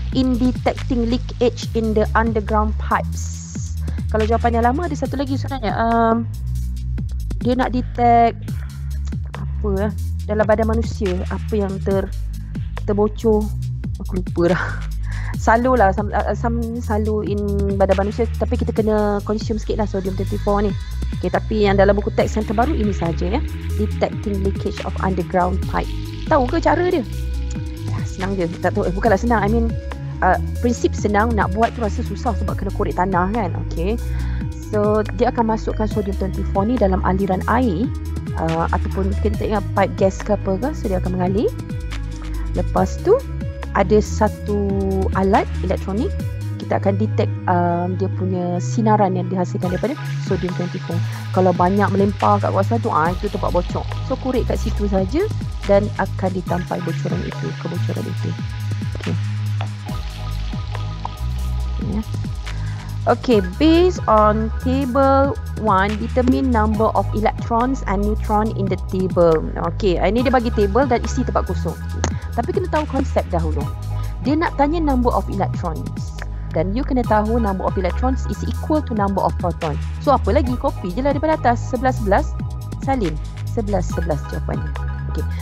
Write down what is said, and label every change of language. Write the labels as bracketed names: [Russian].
[English] In detecting leakage in the underground pipes. [Malay] Kalau jawapan yang lama, ada satu lagi sebenarnya. Dia nak detect apa dalam badan manusia, apa yang terbocor. Aku lupa dah. Salur lah, salur in badan manusia. Tapi kita kena consume sikit lah sodium 24 ni. Okay, tapi yang dalam buku teks yang terbaru ini saja ya. [English] Detecting leakage of underground pipe. [Malay] Tahu ke cara dia? Ya, senang je. Tak tahu. Bukanlah senang. [English] I mean, [Malay] prinsip senang, nak buat tu rasa susah sebab kena korek tanah kan. Okay. So, dia akan masukkan sodium 24 ni dalam aliran air. Ataupun kita tak ingat pipe gas ke apa ke. So, dia akan mengalir. Lepas tu, ada satu alat elektronik. Kita akan detect dia punya sinaran yang dihasilkan daripada sodium 24. Kalau banyak melempar kat kawasan tu, itu tempat bocor. So, korek kat situ saja dan akan ditampai bocoran itu, kebocoran itu. [English] Okay. Okay, yeah. Okay, based on table 1, determine number of electrons and neutron in the table. [Malay] Okay, ini dia bagi table dan isi tempat kosong. Okay. Tapi kena tahu konsep dahulu. Dia nak tanya [English] number of electrons. [Malay] Dan [English] you [Malay] kena tahu [English] number of electrons is equal to number of proton. So [Malay] apa lagi? Copy je lah daripada atas. 11-11 salin. 11-11 jawapannya. Okay.